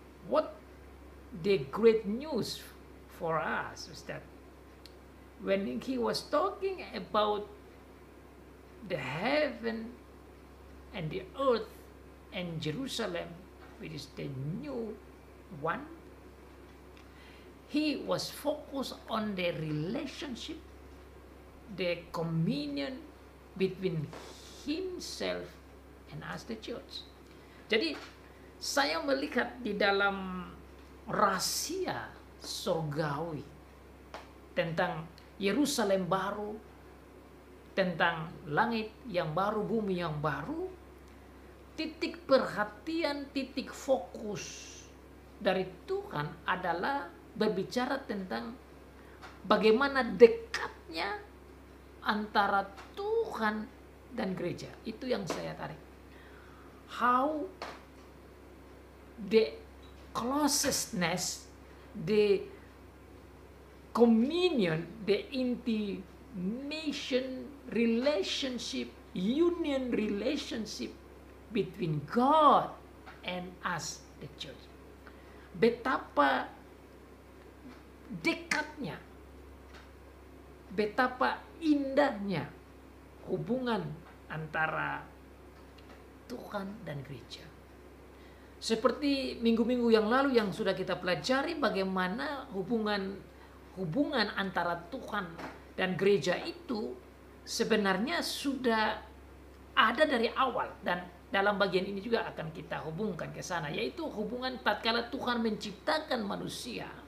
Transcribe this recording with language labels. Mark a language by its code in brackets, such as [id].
[en] What the great news for us is that when he was talking about the heaven and the earth and Jerusalem, which is the new one, he was focused on the relationship, the communion between himself and us, the church. [id] Jadi, saya melihat di dalam rahasia surgawi tentang Yerusalem baru, tentang langit yang baru, bumi yang baru, titik perhatian, titik fokus dari Tuhan adalah berbicara tentang bagaimana dekatnya antara Tuhan dan gereja. Itu yang saya tarik. [en] How the closeness, the communion, the intimation relationship, union relationship between God and us, the church. [id] Betapa dekatnya, betapa indahnya hubungan antara Tuhan dan gereja. Seperti minggu-minggu yang lalu yang sudah kita pelajari bagaimana hubungan antara Tuhan dan gereja itu sebenarnya sudah ada dari awal, dan dalam bagian ini juga akan kita hubungkan ke sana, yaitu hubungan tatkala Tuhan menciptakan manusia